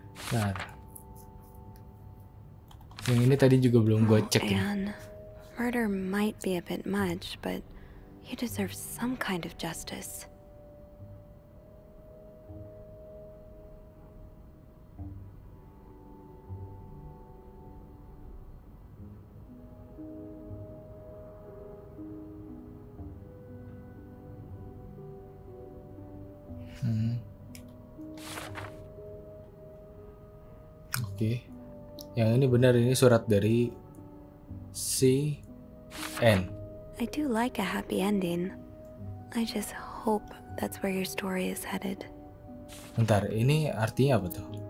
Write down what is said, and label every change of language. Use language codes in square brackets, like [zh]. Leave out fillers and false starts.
[id] Nah, yang ini tadi juga belum gue cek ya. [en] Murder might be a bit much, but you deserve some kind of justice. Okay. [id] Yang ini benar, ini surat dari CN. [en] I do like a happy ending. I just hope that's where your story is headed. [id] Bentar, ini artinya apa tuh?